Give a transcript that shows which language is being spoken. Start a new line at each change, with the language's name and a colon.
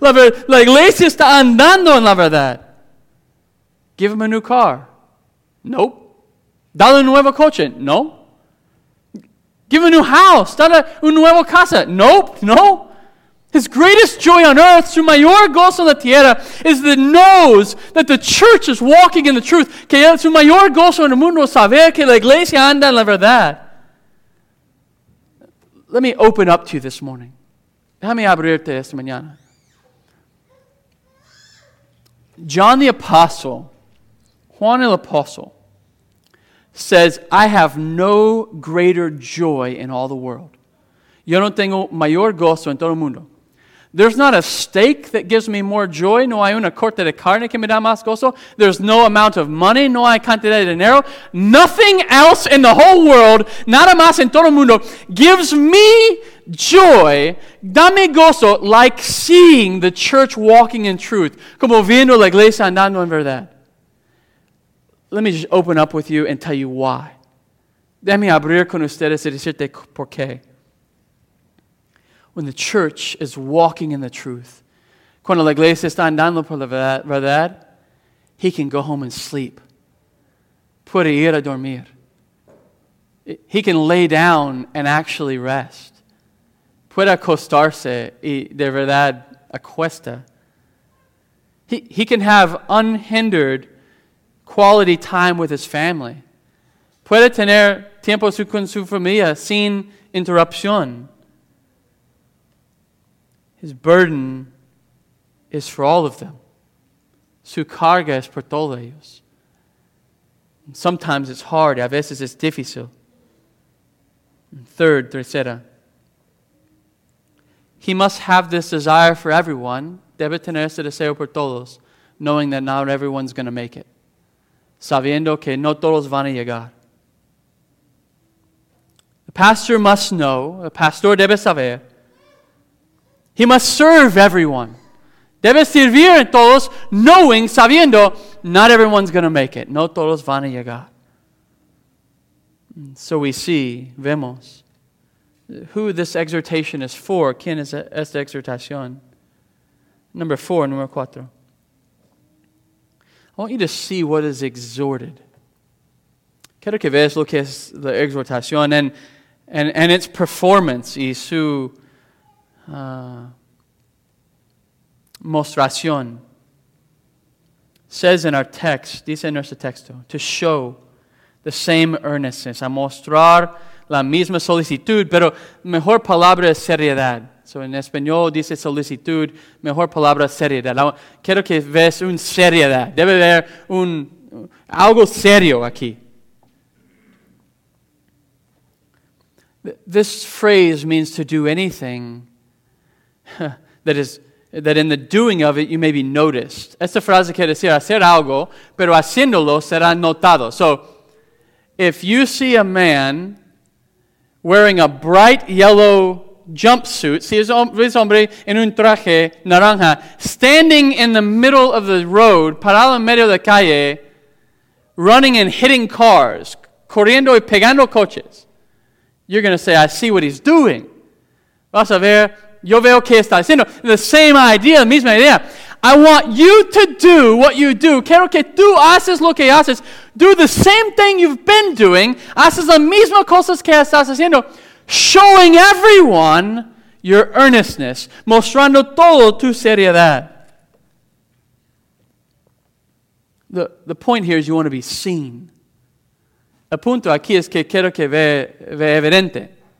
Spanish: La verdad, la iglesia está andando en la verdad.
English: Give him a new car. Nope.
Spanish: Dale un nuevo coche. No.
English: Give a new house.
Spanish: Dale un nuevo casa. Nope. No.
English: His greatest joy on earth,
Spanish: su mayor gozo en la tierra,
English: is that knows that the church is walking in the truth.
Spanish: Que su mayor gozo en el mundo es saber que la iglesia anda en la verdad.
English: Let me open up to you this morning.
Spanish: Déjame abrirte esta mañana.
English: John the Apostle,
Spanish: Juan el Apostle,
English: says, I have no greater joy in all the world.
Spanish: Yo no tengo mayor gozo en todo el mundo.
English: There's not a steak that gives me more joy.
Spanish: No hay una corte de carne que me da más gozo.
English: There's no amount of money.
Spanish: No hay cantidad de dinero.
English: Nothing else in the whole world,
Spanish: nada más en todo el mundo,
English: gives me joy,
Spanish: dame gozo,
English: like seeing the church walking in truth.
Spanish: Como viendo la iglesia andando en verdad.
English: Let me just open up with you and tell you why.
Spanish: Déjame abrir con ustedes y decirte por qué.
English: When the church is walking in the truth,
Spanish: cuando la iglesia está andando por la verdad,
English: he can go home and sleep.
Spanish: Puede ir a dormir.
English: He can lay down and actually rest.
Spanish: Puede acostarse y de verdad acuesta.
English: He can have unhindered quality time with his family.
Spanish: Puede tener tiempo con su familia sin interrupción.
English: His burden is for all of them.
Spanish: Su carga es por todos ellos.
English: Sometimes it's hard.
Spanish: A veces es difícil.
English: And third, tercera. He must have this desire for everyone.
Spanish: Debe tener ese deseo por todos.
English: Knowing that not everyone's going to make it.
Spanish: Sabiendo que no todos van a llegar.
English: The pastor must know. The pastor
Spanish: debe saber.
English: He must serve everyone.
Spanish: Debe servir a todos, knowing, sabiendo,
English: not everyone's going to make it.
Spanish: No todos van a llegar.
English: And so we see, vemos, who this exhortation is for.
Spanish: ¿Quién es esta exhortación?
English: Number four,
Spanish: número cuatro.
English: I want you to see what is exhorted.
Spanish: Quiero que veas lo que es la exhortación
English: and its performance
Spanish: y su mostración.
English: Says in our text,
Spanish: dice en nuestro texto,
English: to show the same earnestness,
Spanish: a mostrar la misma solicitud, pero mejor palabra es seriedad. So en español dice solicitud, mejor palabra es seriedad. Quiero que veas un seriedad. Debe haber un algo serio aquí.
English: This phrase means to do anything that in the doing of it, you may be noticed.
Spanish: Esta frase quiere decir hacer algo, pero haciéndolo será notado.
English: So, if you see a man wearing a bright yellow jumpsuit,
Spanish: si es un hombre en un traje naranja,
English: standing in the middle of the road,
Spanish: parado en medio de calle,
English: running and hitting cars,
Spanish: corriendo y pegando coches,
English: you're going to say, I see what he's doing.
Spanish: Vas a ver. Yo veo que está haciendo.
English: The same idea,
Spanish: la misma idea.
English: I want you to do what you do.
Spanish: Quiero que tú haces lo que haces.
English: Do the same thing you've been doing.
Spanish: Haces la misma cosas que estás haciendo.
English: Showing everyone your earnestness.
Spanish: Mostrando todo tu seriedad.
English: The point here is you want to be seen.
Spanish: El punto aquí es que quiero que ve evidente.